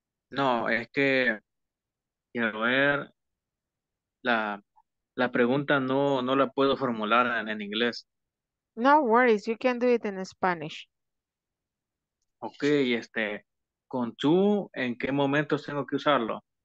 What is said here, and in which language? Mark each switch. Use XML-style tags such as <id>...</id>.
<es>No, es que quiero ver la pregunta, no la puedo formular en inglés.</es> <en>No worries, you can do it in Spanish.</en> <es>Okay, con tú, ¿en qué momento tengo que usarlo?</es>